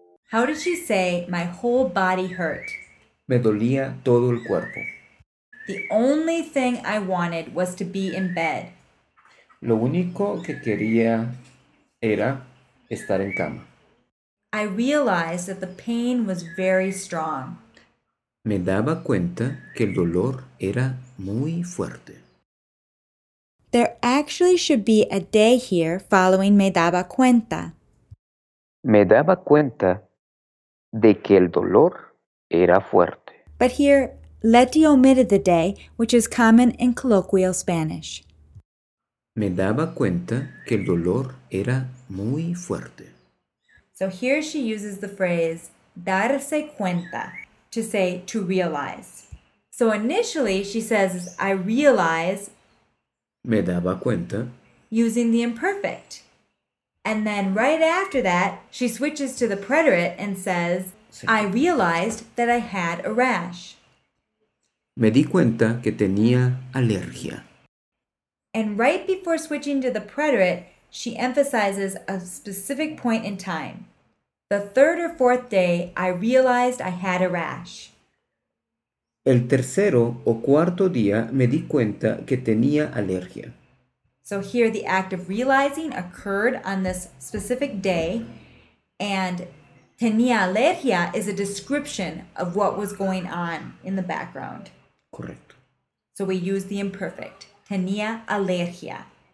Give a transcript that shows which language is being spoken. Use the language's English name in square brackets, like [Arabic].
[English] How did she say my whole body hurt? [Spanish] Me dolía todo el cuerpo. [English] The only thing I wanted was to be in bed. [Spanish] Lo único que quería era estar en cama. [English] I realized that the pain was very strong. [Spanish] Me daba cuenta que el dolor era muy fuerte. [English] There actually should be a day here following [Spanish] me daba cuenta. Me daba cuenta de que el dolor era fuerte. [English] But here, Leti omitted the day, which is common in colloquial Spanish. [Spanish] Me daba cuenta que el dolor era muy fuerte. [English] So here she uses the phrase [Spanish] darse cuenta [English] to say to realize. So initially she says, I realize. [Spanish] Me daba cuenta. [English] Using the imperfect. And then right after that, she switches to the preterite and says, I realized that I had a rash. [Spanish] Me di cuenta que tenía alergia. [English] And right before switching to the preterite, she emphasizes a specific point in time. The third or fourth day, I realized I had a rash. [Spanish] El tercero o cuarto día, me di cuenta que tenía alergia. [English] So here the act of realizing occurred on this specific day, and [Spanish] Tenía alergia [English] is a description of what was going on in the background. [Spanish] Correcto. [English] So we use the imperfect. [Spanish] Tenía alergia.